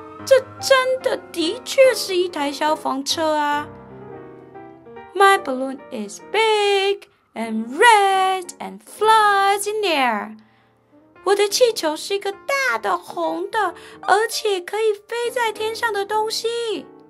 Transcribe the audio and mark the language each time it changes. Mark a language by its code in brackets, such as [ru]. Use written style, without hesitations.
[zh] 这真的的确是一台消防车啊。 [en] My balloon is big and red and flies in the air. [zh] 我的气球是一个大的红的而且可以飞在天上的东西。